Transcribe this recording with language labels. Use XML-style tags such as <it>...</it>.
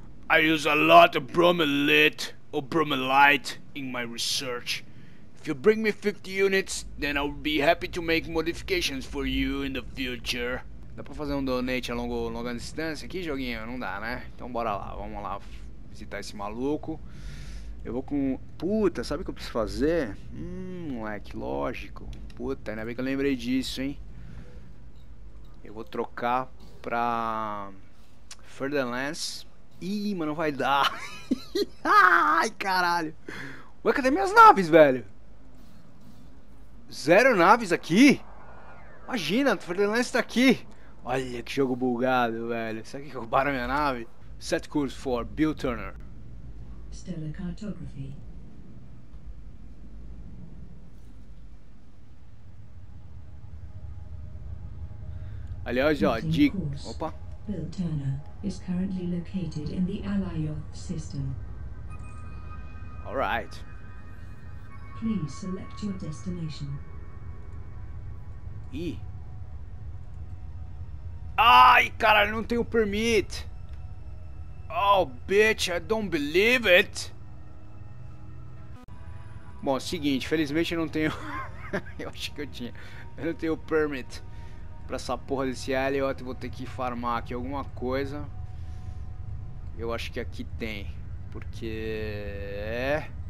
<en>I use a lot of bromelite or bromelite in my research. If you bring me 50 units, then I would be happy to make modifications for you in the future.</en> <pt>Dá pra fazer um donate a longa distância aqui, joguinho? Não dá, né? Então bora lá, vamos lá visitar esse maluco. Eu vou com... Puta, sabe o que eu preciso fazer? Moleque, lógico. Puta, ainda bem que eu lembrei disso, hein? Eu vou trocar pra... Ferdinand. Ih, mano, vai dar. Ai, caralho. Ué, cadê minhas naves, velho? Zero naves aqui? Imagina, o Ferdinand tá aqui. Olha que jogo bugado, velho. Será que roubaram minha nave?</pt> <en>Set course for Bill Turner. Stellar cartography.</en> <pt>Aliás, ó, dica. Opa.</pt> <en>Bill Turner is currently located in the Alioth system. All right. Please select your destination.</en> <pt>E ai, cara, não tenho permit.</pt> <en>Oh, bitch, I don't believe it.</en> <pt>Bom, é o seguinte, felizmente eu não tenho eu acho que eu tinha. Eu não tenho permit pra essa porra desse Elliot, vou ter que farmar aqui alguma coisa. Eu acho que aqui tem. Porque...</pt>